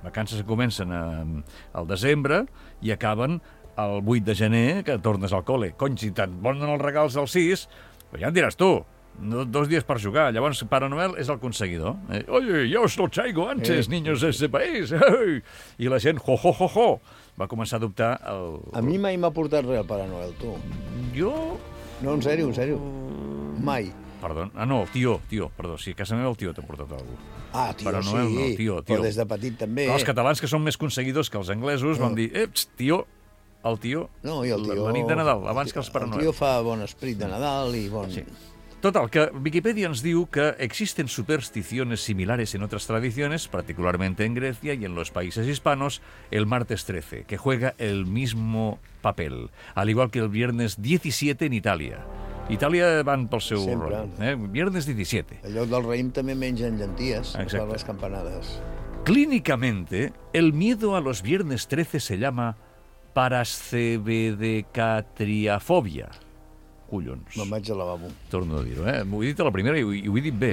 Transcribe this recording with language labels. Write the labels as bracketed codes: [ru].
[ca] Vacances que comencen al desembre i acaben el 8 de gener, que tornes al col·le. Cony, si te'n donen els regals al 6, pues ja en diràs tu. Dos dies per jugar. Llavors, Pare Noel és el conseguidor. [es] Oye, yo os lo traigo antes, niños de este país. [ca] I la gent, va començar a dubtar el... A mi mai m'ha portat res, Pare Noel, tu. Jo... No, en sèrio, en sèrio. Mai. Perdón. Ah, no, tio, perdó. Sí, a casa meva el tio t'ha portat algú. Ah, tio, però no, sí. No, tio. Però des de petit també. Però els catalans, que són més conseguidors que els anglesos, van dir, eps, tio, el tio... No, i el tio... La nit de Nadal, abans que els Pare Noel. El tio fa bon esperit de Nadal i bon... Sí. Total, que Wikipedia ens diu que [es] existen supersticiones similares en otras tradiciones, particularmente en Grecia y en los países hispanos, el martes 13, que juega el mismo papel, al igual que el viernes 17 en Italia. [ca] Italia van pel seu rol. Viernes 17. En lloc del raïm també mengen llenties, a les campanades. [es] Clínicamente, el miedo a los viernes 13 se llama parascebedecatriafobia. Collons. [ca] Me'n vaig al lavabo. Torno a dir-ho, M'ho he dit a la primera i ho he dit bé.